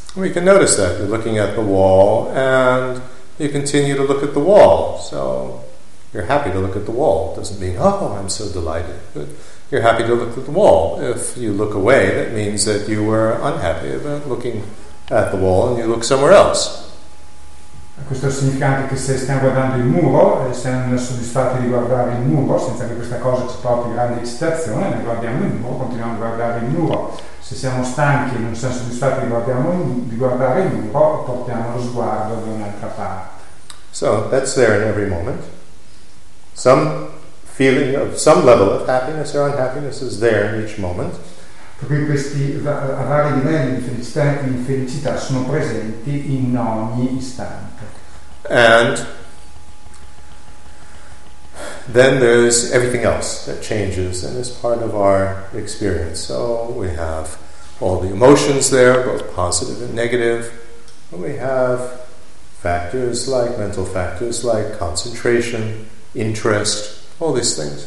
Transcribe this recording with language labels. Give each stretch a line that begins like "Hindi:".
English: We can notice that you're looking at the wall and you continue to look at the wall, so you're happy to look at the wall. It doesn't mean, oh, I'm so delighted. But you're happy to look at the wall. If you look away, that means that you were unhappy about looking at the wall and you look somewhere else.
Italian: Questo significa anche che se stiamo guardando il muro e siamo soddisfatti di guardare il muro, senza che questa cosa ci porti grande eccitazione, noi guardiamo il muro, continuiamo a guardare il muro. Se siamo stanchi e non siamo soddisfatti di guardare il muro, portiamo lo sguardo da un'altra parte.
English: So, that's there in every moment. Some feeling of some level of happiness or unhappiness is there in each moment.
Italian: Perché questi vari livelli di felicità e infelicità sono presenti in ogni istante.
English: And then there's everything else that changes and is part of our experience. So we have all the emotions there, both positive and negative. And we have factors like mental factors like concentration, interest, all these things.